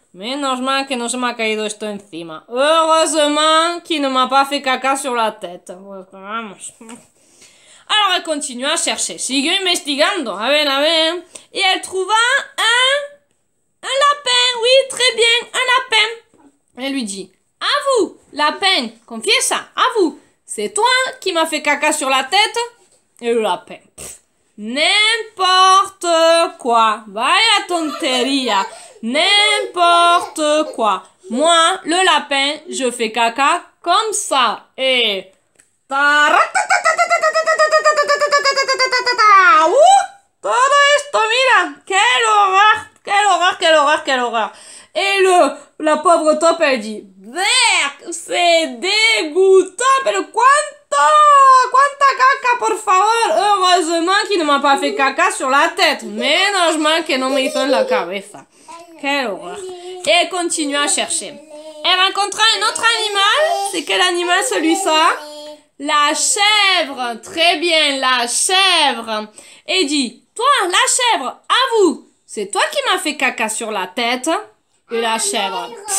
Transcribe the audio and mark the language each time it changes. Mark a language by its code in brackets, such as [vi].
[es] Menos mal que no se m'a caído esto encima. [fr] Heureusement qu'il ne m'a pas fait caca sur la tête. Alors elle continue à chercher. [es] Sigue investigando. A ver, a ver. [fr] Et elle trouva un lapin. Oui, très bien, un lapin. Elle lui dit, à vous, lapin, confiesa, à vous. C'est toi qui m'as fait caca sur la tête. Et le lapin, n'importe quoi. [es] Vaya tonteria. [fr] N'importe quoi. Moi, le lapin, je fais caca comme ça. Et... [es] Todo esto, mira. [fr] Quelle horreur. Quelle horreur, quelle horreur, quelle horreur. Et la pauvre top, elle dit... C'est dégoûtant. [es] Pero cuánto, cuánta caca, por favor. [fr] Heureusement qu'il ne m'a pas fait caca sur la tête. [es] Menos mal que no me hizo en la cabeza. [fr] Quelle horreur. Et elle continue à chercher. Elle rencontra un autre animal. C'est quel animal celui-là? La chèvre. Très bien, la chèvre. Et dit, toi, la chèvre, à vous. C'est toi qui m'as fait caca sur la tête. Et la chèvre.